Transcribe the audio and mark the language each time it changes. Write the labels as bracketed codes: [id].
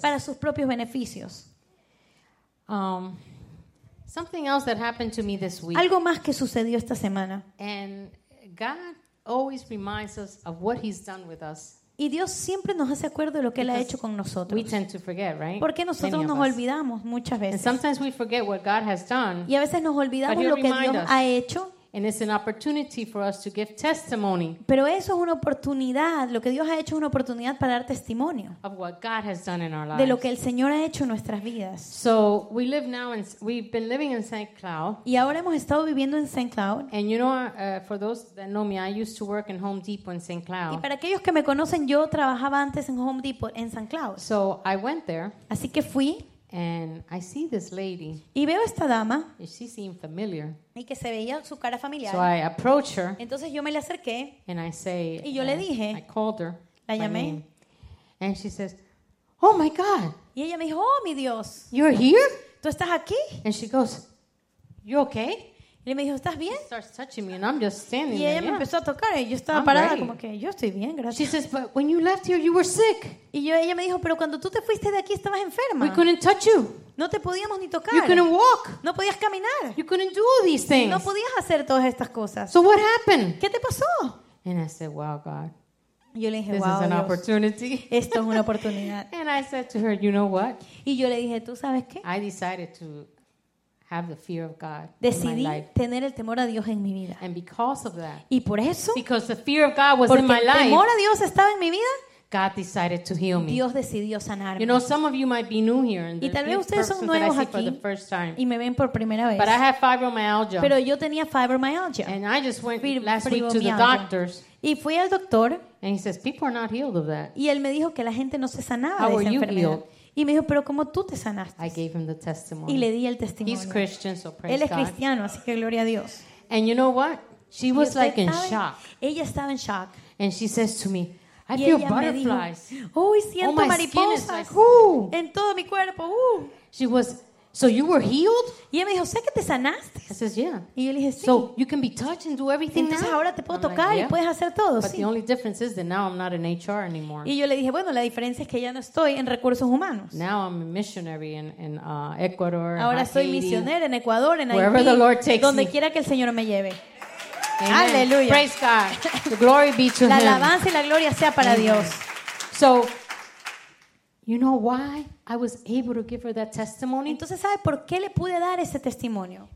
[es] Para sus propios beneficios. [en] Something else that happened to me this week. [es] Algo más que sucedió esta semana. [en] And God always reminds us of what He's done with us. [es] Y Dios siempre nos hace acuerdo de lo que Él ha hecho con nosotros. [en] We tend to forget, right? [es] Porque nosotros nos olvidamos muchas veces. [en] And sometimes we forget what God has done. [es] Y a veces nos olvidamos lo que Dios ha hecho. [en] And it's an opportunity for us to give testimony. [es] Pero eso es una oportunidad. Lo que Dios ha hecho es una oportunidad para dar testimonio. [en] Of what God has done in our lives. [es] De lo que el Señor ha hecho en nuestras vidas. [en] So we live now, and we've been living in St. Cloud. [es] Y ahora hemos estado viviendo en St. Cloud. [en] And you know, for those that know me, I used to work in Home Depot in St. Cloud. [es] Y para aquellos que me conocen, yo trabajaba antes en Home Depot en St. Cloud. [en] So I went there. [es] Así que fui. [en] And I see this lady. [es] Y veo esta dama. [en] She seemed familiar. [es] Y que se veía su cara familiar. [en] So I approach her. [es] Entonces yo me le acerqué. [en] And I say. [es] Y yo le dije. [en] I called her. [es] La llamé. [en] And she says, "Oh my God." [es] Y ella me dijo, "Oh mi Dios." [en] "You're here?" [es] ¿Tú estás aquí? [en] And she goes, "You okay?" [es] Y me dijo, "¿Estás bien?" [en] She starts touching me, and I'm just standing there. [es] Y ella me empezó a tocar, y yo estaba parada como que, "Yo estoy bien, gracias." [en] She says, "But when you left here, you were sick." [es] Y yo, ella me dijo, "Pero cuando tú te fuiste de aquí, estabas enferma." [en] "We couldn't touch you." [es] No te podíamos ni tocar. [en] "You couldn't walk." [es] No podías caminar. [en] "You couldn't do all these things." [es] No podías hacer todas estas cosas. [en] "So what happened?" [es] ¿Qué te pasó? [en] And I said, "Wow, God." [es] Yo le dije, [en] "This wow, is an [es] Dios, [en] opportunity." [es] Esto es una oportunidad. [en] And I said to her, "You know what?" [es] Y yo le dije, "¿Tú sabes qué?" [en] I decided to have the fear of God in my life. [es] Decidí tener el temor a Dios en mi vida. [en] And because of that. [es] Y por eso. [en] Because the fear of God was in my life. [es] Porque el temor a Dios estaba en mi vida. [en] God decided to heal me. [es] Dios decidió sanarme. [en] You know, some of you might be new here, and [es] y tal vez ustedes son nuevos aquí y me ven por primera vez. [en] But I have fibromyalgia. [es] Pero yo tenía fibromyalgia. [en] And I just went last week to the doctors. [es] Y fui al doctor. [en] And he says people are not healed of that. [es] Y él me dijo que la gente no se sanaba de esa enfermedad. Y me dijo, pero ¿cómo tú te sanaste? [en] I gave him the testimony. [es] Y le di el testimonio. [en] He's Christian, so praise God. [es] Él es cristiano, así que gloria a Dios. [en] And you know what? She was like in shock. [es] Ella estaba en shock. [en] And she says to me, I feel butterflies. [es] Oh, siento mariposas. En todo mi cuerpo. [en] She was, so you were healed? [es] Y ella me dijo, ¿sé que te sanaste? [en] I says, yeah. [es] Y yo le dije, sí. [en] So you can be touched and do everything [es] entonces, [en] now? [es] Ahora te puedo tocar y puedes hacer todo, [en] but [es] sí. [en] But the only difference is that now I'm not in HR anymore. [es] Y yo le dije, bueno, la diferencia es que ya no estoy en recursos humanos. [en] Now I'm a missionary in Ecuador. [es] Ahora soy [en] Haiti, [es] misionera en Ecuador, en [en] wherever [es] Haití, [en] the Lord takes [es] donde Donde quiera que el Señor me lleve. [en] Amen. Hallelujah. Praise God. The glory be to him. [es] La alabanza y la gloria sea para Dios. [en] So, you know why I was able to give her that testimony? [es] Entonces, ¿sabe por qué le pude dar ese testimonio?